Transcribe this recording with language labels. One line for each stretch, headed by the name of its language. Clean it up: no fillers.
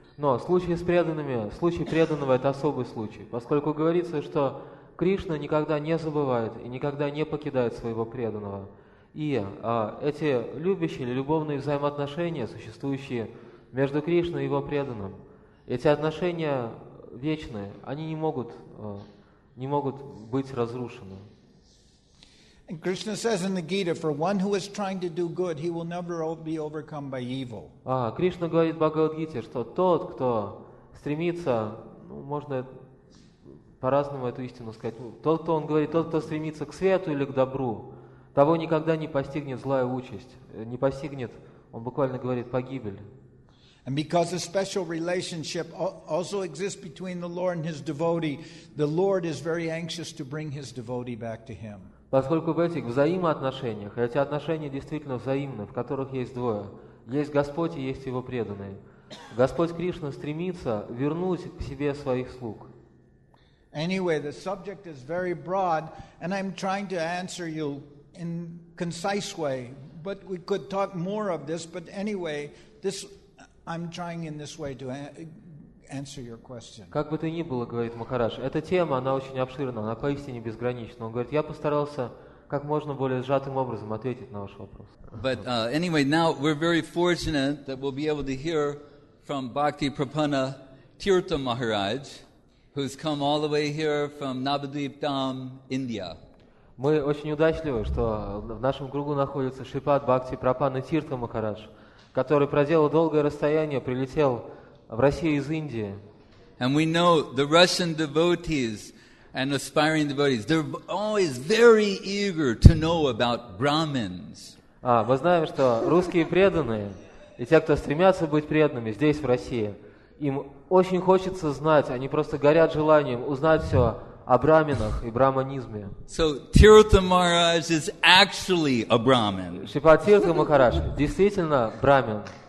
Russian: Но случай с преданными, случай преданного — это особый случай, поскольку говорится, что Кришна никогда не забывает и никогда не покидает своего преданного. И эти любящие или любовные взаимоотношения, существующие между Кришной и его преданным, эти отношения вечные, они не могут быть разрушены.
English: And Krishna says in the Gita, for one who is trying to do good, he will never be overcome by evil.
Russian: Кришна говорит в Бхагавад-гите, что тот, кто стремится, можно по-разному эту истину сказать, тот, кто, он говорит, тот, кто стремится к свету или к добру, того никогда не постигнет злая участь, не постигнет, он буквально говорит, погибель.
English: And because a special relationship also exists between the Lord and his devotee, the Lord is very anxious to bring his devotee back to him.
Russian: Поскольку в этих взаимоотношениях, эти отношения действительно взаимны, в которых есть двое, есть Господь и есть его преданные, Господь Кришна стремится вернуть к себе своих слуг.
English: Anyway, the subject is very broad, and I'm trying to answer you in a concise way, but we could talk more of this, but anyway, this I'm trying in this way to answer your question.
Russian: Как бы то ни было, говорит Махарадж, эта тема, она очень обширна, она поистине безгранична. Он говорит, я постарался как можно более сжатым образом ответить на ваш вопрос.
English: But anyway, now we're very fortunate that we'll be able to hear from Bhakti Prapanna Tirtha Maharaj, who's come all the way here from Navadvip Dham, India.
Russian: Мы очень удачливы, что в нашем кругу находится Шрипад Бхакти Прапанна Тирта Махарадж, который проделал долгое расстояние, прилетел в Россию из Индии.
English: And we know the Russian devotees and aspiring devotees, they're always very eager to know about Brahmins.
Russian: Мы знаем, что русские преданные и те, кто стремятся быть преданными здесь, в России, им очень хочется знать, они просто горят желанием узнать все о брахманах и брахманизме.
English: So Tirtha Maharaj is actually a Brahmin.
Russian: Шипат Тирта Махарадж действительно брахман.